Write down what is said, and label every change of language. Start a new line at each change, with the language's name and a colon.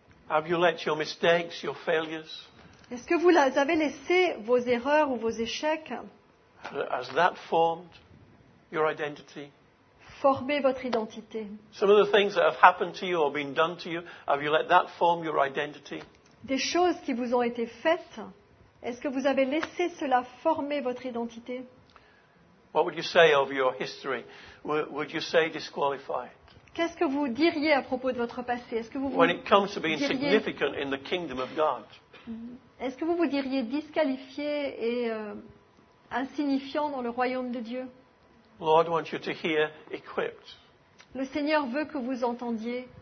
English: Have you let your mistakes, your failures?
French: Est-ce que vous avez laissé vos erreurs ou vos échecs?
English: Has that formed your identity?
French: Former votre identité.
English: Some of the things that have happened to you or been done to you, have you let that form your identity?
French: Des choses qui vous ont été faites, est-ce que vous avez laissé cela former votre identité?
English: What would you say of your history? Would you say disqualified?
French: Qu'est-ce que vous diriez à propos de votre passé? Est-ce que vous
English: When it comes to being significant in the kingdom of God?
French: Est-ce que vous vous diriez disqualifié et insignifiant dans le royaume de Dieu?
English: Lord wants you to hear equipped.
French: Le Seigneur veut que vous entendiez